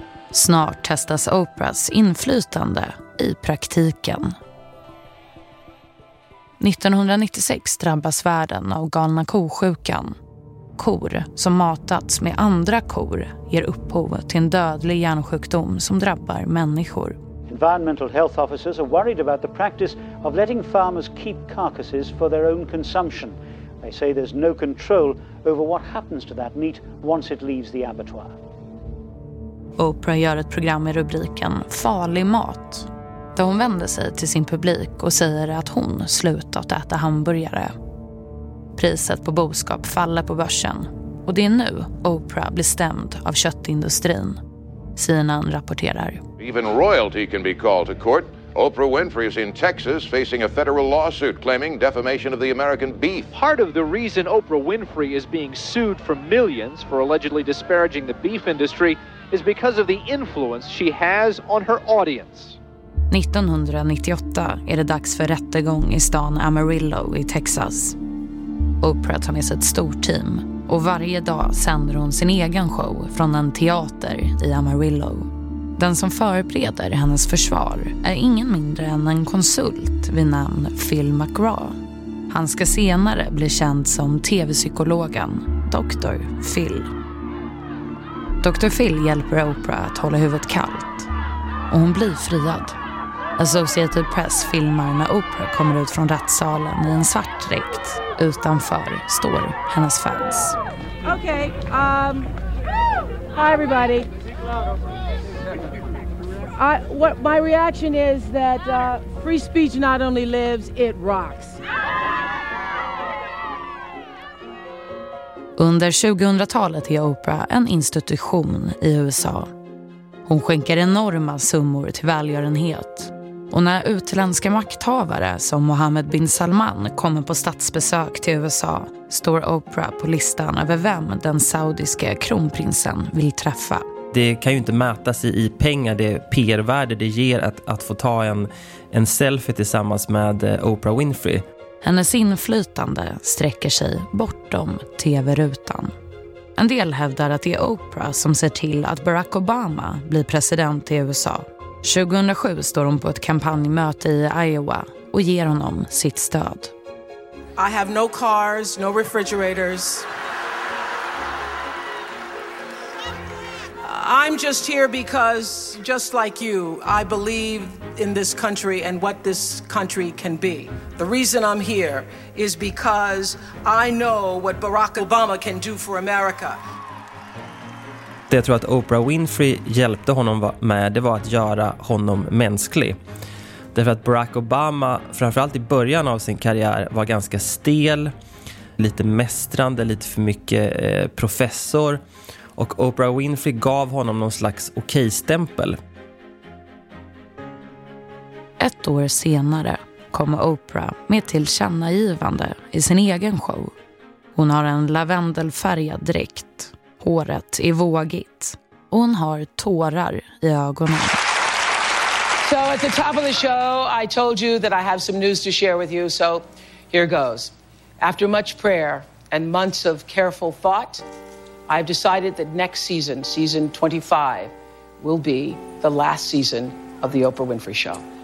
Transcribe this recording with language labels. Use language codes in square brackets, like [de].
[sv] Snart testas Oprahs inflytande i praktiken. 1996 drabbas världen av galna kosjukan. Kor som matats med andra kor ger upphov till en dödlig hjärnsjukdom som drabbar människor. [en] Environmental health officers are worried about the practice of letting farmers keep carcasses for their own consumption. They say there's no control over what happens to that meat once it leaves the abattoir. [sv] Oprah gör ett program i rubriken Farlig mat, där hon vänder sig till sin publik och säger att hon slutat äta hamburgare. Priset på boskap faller på börsen. Och det är nu Oprah blir stämd av köttindustrin. CNN rapporterar. [en] Even royalty can be called to court. Oprah Winfrey is in Texas facing a federal lawsuit claiming defamation of the American beef. Part of the reason Oprah Winfrey is being sued for millions for allegedly disparaging the beef industry is because of the influence she has on her audience. [sv] 1998 är det dags för rättegång i stan Amarillo i Texas. Oprah tar med sig ett stort team och varje dag sänder hon sin egen show från en teater i Amarillo. Den som förbereder hennes försvar är ingen mindre än en konsult vid namn Phil McGraw. Han ska senare bli känd som tv-psykologen Dr. Phil. Dr. Phil hjälper Oprah att hålla huvudet kallt och hon blir friad. Associated Press filmar när Oprah kommer ut från rättssalen i en svart dräkt. Utanför står hennes fans. [en] Okay, hi everybody. What my reaction is that free speech not only lives, it rocks. [sv] Under 2000-talet är Oprah en institution i USA. Hon skänker enorma summor till välgörenhet. Och när utländska makthavare som Mohammed bin Salman kommer på statsbesök till USA står Oprah på listan över vem den saudiska kronprinsen vill träffa. Det kan ju inte mätas i pengar, det PR-värde det ger att få ta en selfie tillsammans med Oprah Winfrey. Hennes inflytande sträcker sig bortom tv-rutan. En del hävdar att det är Oprah som ser till att Barack Obama blir president i USA. 2007 står hon på ett kampanjmöte i Iowa och ger honom sitt stöd. [en] I have no cars, no refrigerators. I'm just here because, just like you, I believe in this country and what this country can be. The reason I'm here is because I know what Barack Obama can do for America. [sv] Det jag tror att Oprah Winfrey hjälpte honom med, det var att göra honom mänsklig. Därför att Barack Obama, framförallt i början av sin karriär, var ganska stel, lite mästrande, lite för mycket professor. Och Oprah Winfrey gav honom någon slags okej-stämpel. Ett år senare kommer Oprah med tillkännagivande i sin egen show. Hon har en lavendelfärgad dräkt, håret är vågigt och hon har tårar i ögonen. [en] So at the top of the show I told you that I have some news to share with you, so here goes. After much prayer and months of careful thought, I've decided that next season, season 25, will be the last season of the Oprah Winfrey Show.